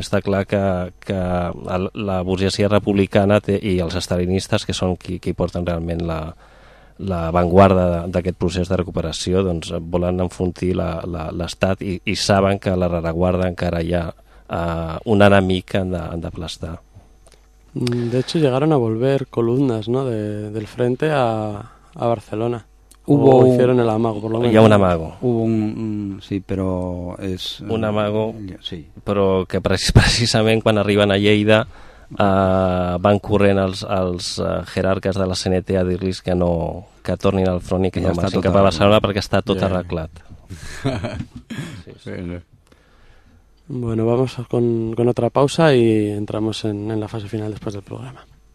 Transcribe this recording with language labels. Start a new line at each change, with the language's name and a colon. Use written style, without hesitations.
Catalan: Està clar que la burgesia republicana i els estalinistes, que són qui porten realment la avantguarda d'aquest procés de recuperació, doncs volen enfrontir l'Estat i saben que a la rereguarda encara hi ha un enemic que han de plastar.
Spanish: De hecho, llegaron a volver columnas, ¿no?, del frente a Barcelona. Hicieron el amago, por lo menos.
Catalan: Hi ha un amago.
Spanish: Hubo un... sí,
Catalan: però és...
Spanish: Un amago, sí.
Catalan: Però que precisament quan arriben a Lleida van corrent els jerarques de la CNT a dir-los que no, que tornin al front i que ja no marxin cap a Barcelona perquè està tot arreglat. Sí, sí.
Spanish: Bueno, vamos con otra pausa y entramos en la fase final después del programa.